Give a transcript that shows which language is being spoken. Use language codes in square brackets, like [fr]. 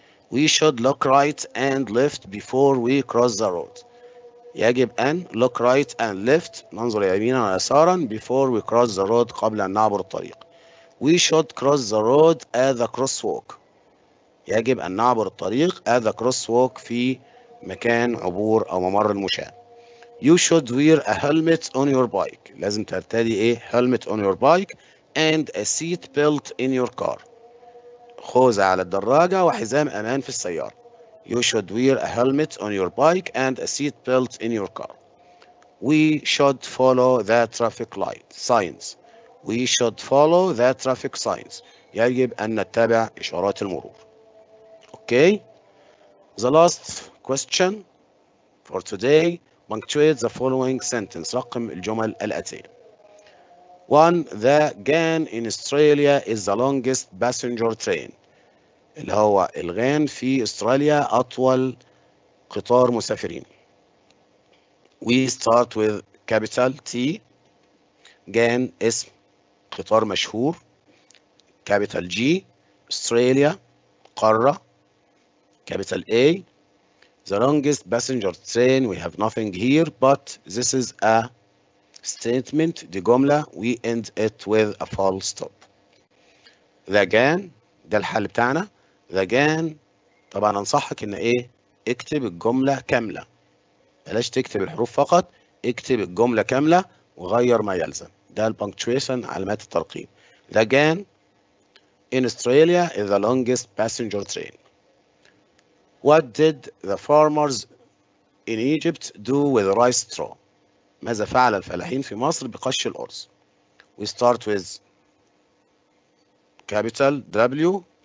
[en] We should look right and left before we cross the road. [ar] يجب أن [en] look right and left، [ar] ننظر يمينا ويسارا، [en] before we cross the road، [ar] قبل أن نعبر الطريق. [en] We should cross the road at the crosswalk. [ar] يجب أن نعبر الطريق [en] at the crosswalk، [ar] في مكان عبور أو ممر المشاة. [en] You should wear a helmet on your bike. [ar] لازم ترتدي إيه؟ [en] helmet on your bike and a seat belt in your car. [ar] خوذة على الدراجة وحزام أمان في السيارة. [en] You should wear a helmet on your bike and a seat belt in your car. We should follow the traffic light signs. We should follow the traffic signs. [ar] يجب أن نتبع إشارات المرور. [en] Okay. The last question for today. Punctuate the following sentence. [ar] رقم الجمل الأتية. [en] One, the GAN in Australia is the longest passenger train. [ar] اللي هو الغان في استراليا اطول قطار مسافرين. [en] We start with capital T. GAN [ar] اسم قطار مشهور. [en] Capital G. [ar] استراليا قارة. [en] Capital A. The longest passenger train. We have nothing here, but this is a statement. [ar] دي جملة. [en] We end it with a full stop. The GAN. [ar] ده الحل بتاعنا. [en] The GAN. [ar] طبعا انصحك ان ايه؟ اكتب الجملة كاملة. بلاش تكتب الحروف فقط. اكتب الجملة كاملة وغير ما يلزم. ده البنكتويشن، علامات الترقيم. [en] The gain in Australia is the longest passenger train. What did the farmers in Egypt do with rice straw? [ar] ماذا فعل الفلاحين في مصر بقش الأرز؟ [en] We start with capital W.